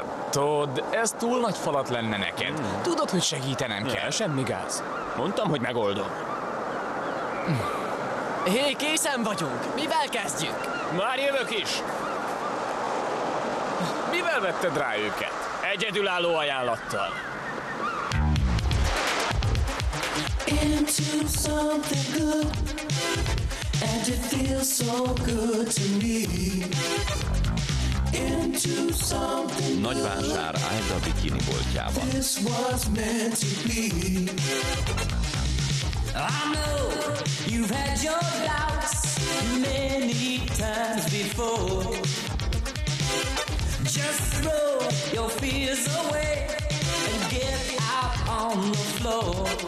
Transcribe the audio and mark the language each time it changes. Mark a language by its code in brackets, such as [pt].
[hu] Todd, ez túl nagy falat lenne neked. Tudod, hogy segítenem kell. Semmi gáz. Mondtam, hogy megoldom. Hé, készen vagyunk. Mivel kezdjük? Már jövök is. Mivel vetted rá őket? Egyedülálló ajánlattal. [en] Into something good, and it feels so good to me. Into something good. [hu] Nagy vásár állt a bikini boltjában. [en] This was meant to be. I know you've had your doubts many times before. Just throw your fears away and get out on the floor.